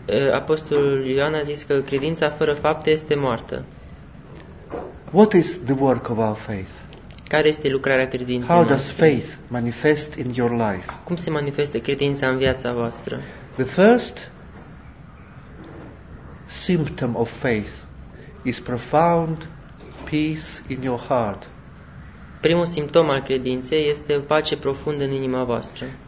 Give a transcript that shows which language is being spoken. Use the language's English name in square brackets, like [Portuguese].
[Romanian] Apostolul Ioan a zis că credința fără fapte este moartă. [English] What is the work of our faith? [Romanian] Care este lucrarea credinței [English] noastre? How does faith manifest in your life? [Romanian] Cum se manifestă credința în viața voastră? [English] The first symptom of faith is profound peace in your heart. [Romanian] Primul simptom al credinței este o pace profundă în inima voastră.